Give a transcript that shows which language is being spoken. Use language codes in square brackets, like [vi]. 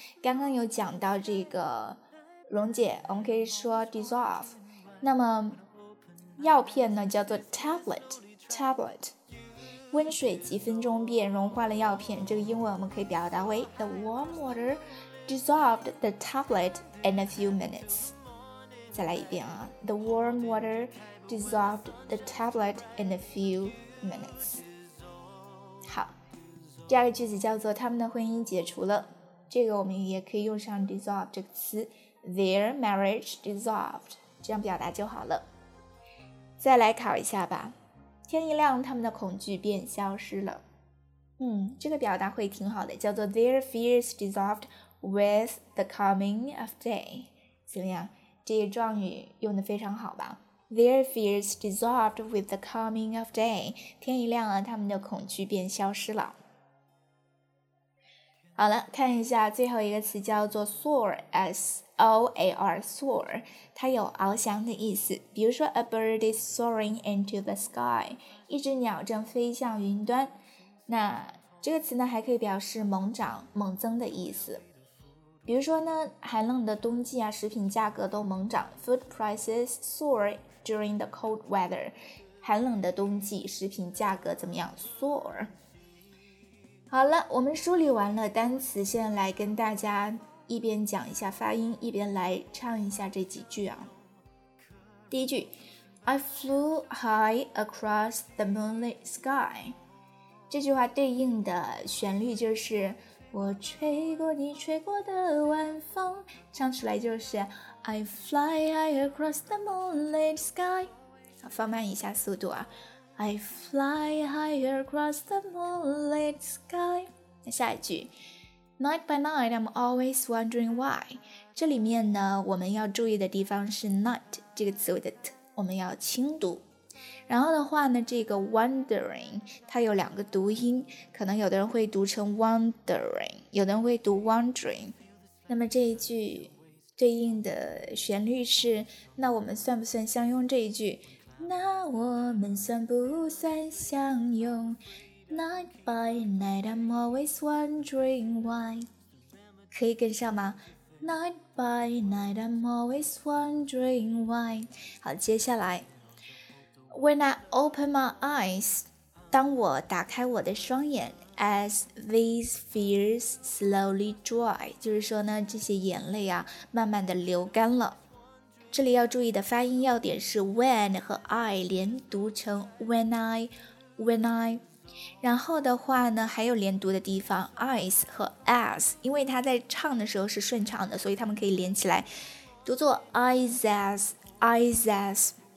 [zh] 刚刚有讲到这个溶解，我们可以说 dissolve。那么药片呢叫做 tablet。温水几分钟便融化了药片，这个英文我们可以表达为 [en] The warm water dissolved the tablet in a few minutes。 [zh] 再来一遍啊， [en] The warm water dissolved the tablet in a few minutes。 [zh] 好，第二个句子叫做他们的婚姻解除了，这个我们也可以用上 dissolve 这个词， [en] Their marriage dissolved， [zh] 这样表达就好了。再来考一下吧，天一亮他们的恐惧便消失了。这个表达会挺好的，叫做 [en] Their fears dissolved with the coming of day。 [zh] 怎么样，这个状语用得非常好吧？ [en] Their fears dissolved with the coming of day， [zh] 天一亮了他们的恐惧便消失了。好了，看一下最后一个词叫做 soar， S-O-A-R， soar， 它有翱翔的意思。 [en] 比如说 a bird is soaring into the sky， [zh] 一只鸟正飞向云端。那这个词呢还可以表示猛涨、猛增的意思。比如说呢，寒冷的冬季啊，食品价格都猛涨， [en] food prices soar during the cold weather， [zh] 寒冷的冬季食品价格怎么样？ [en] soar。 [zh] 好了，我们梳理完了单词，现在来跟大家一边讲一下发音，一边来唱一下这几句啊。第一句 [en] I flew high across the moonlit sky， [zh] 这句话对应的旋律就是我吹过你吹过的晚风，唱出来就是 [en] I fly high across the moonlit sky。 [zh] 好，放慢一下速度啊， [en] I fly higher across the moonlit sky。 [zh] 那下一句 [en] Night by night I'm always wondering why， [zh] 这里面呢我们要注意的地方是 night 这个词尾的 t 我们要轻读。然后的话呢，这个 wondering 它有两个读音，可能有的人会读成 wondering， 有的人会读 wondering。 那么这一句对应的旋律是那我们算不算相拥这一句，那我们算不算相拥 [en] Night by night I'm always wondering why， [zh] 可以跟上吗？ [en] Night by night I'm always wondering why。 [zh] 好，接下来 [en] When I open my eyes， [zh] 当我打开我的双眼， [en] As these fears slowly dry， [zh] 就是说呢，这些眼泪啊，慢慢的流干了。这里要注意的发音要点是 when 和 I 连读成 when I， 然后的话呢，还有连读的地方 eyes 和 as， 因为它在唱的时候是顺畅的，所以它们可以连起来，读作 eyes。